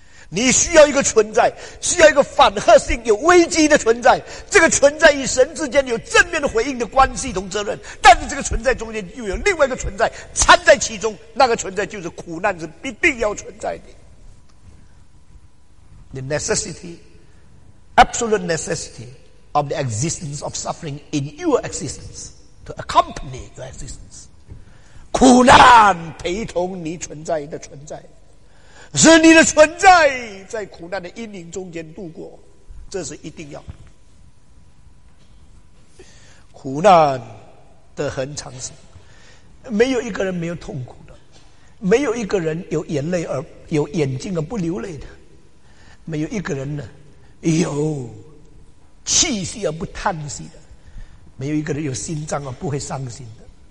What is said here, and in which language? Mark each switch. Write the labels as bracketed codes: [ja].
[zh] 你需要一个存在，需要一个反合性，有危机的存在。这个存在与神之间有正面的回应的关系同责任，但是这个存在中间又有另外一个存在掺在其中，那个存在就是苦难是必定要存在的。 [en] The necessity, absolute necessity of the existence of suffering in your existence to accompany your existence， [zh] 苦难陪同你存在的存在，是你的存在在苦难的阴影中间度过，这是一定要。苦难的恒常性，没有一个人没有痛苦的，没有一个人有眼泪而有眼睛而不流泪的，没有一个人呢有气息而不叹息的，没有一个人有心脏而不会伤心的。